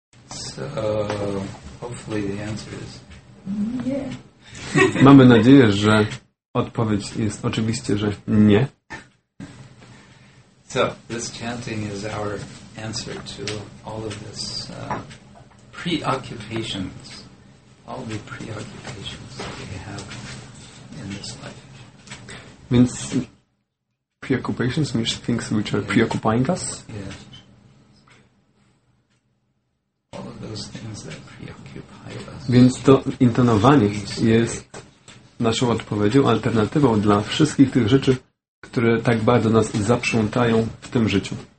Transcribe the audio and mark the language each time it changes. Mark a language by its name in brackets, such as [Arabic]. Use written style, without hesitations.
[English] So, hopefully the answer is... [Polish] Mamy nadzieję, że odpowiedź jest oczywiście, że nie. [English] So, this chanting is our answer to all of this preoccupations, all the preoccupations that we have in this life. Means preoccupations, means things which are preoccupying us. Yes. All of those things that preoccupy us. [Polish] Więc to intonowanie jest naszą odpowiedzią, alternatywą dla wszystkich tych rzeczy, które tak bardzo nas zaprzątają w tym życiu.